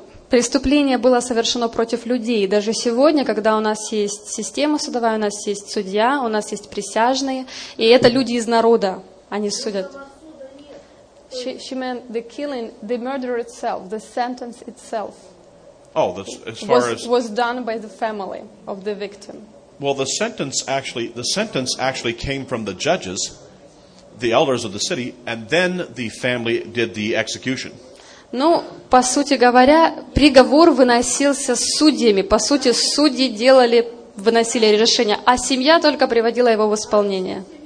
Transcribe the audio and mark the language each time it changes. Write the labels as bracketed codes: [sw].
[ru] Преступление было совершено против людей. Даже сегодня, когда у нас есть система судовая, у нас есть судья, у нас есть присяжные, и это люди из народа, они судят. [en] She meant the killing, the murder itself, the sentence itself. Oh, that's as far as was done by the family of the victim. Well, the sentence actually came from the judges, the elders of the city, and then the family did the execution. [ru] Ну, по сути говоря, приговор выносился судьями. По сути, судьи делали выносили решение, а семья только приводила его в исполнение.